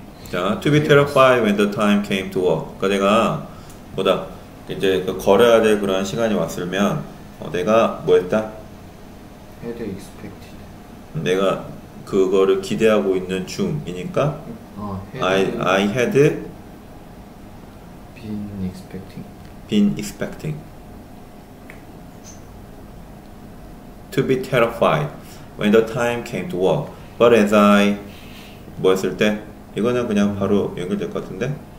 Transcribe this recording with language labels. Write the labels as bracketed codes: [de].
[en] 자, to be terrified when the time came to walk. [ko] 그러니까 내가 뭐다 이제 걸어야 될 그런 시간이 왔으면 내가 뭐했다? [en] Had expected. [ko] 내가 그거를 기대하고 있는 중이니까. [en] I had been expecting. Been expecting to be terrified when the time came to walk. But as I [ko] 뭐 했을 때? 이거는 그냥 바로 연결될 것 같은데?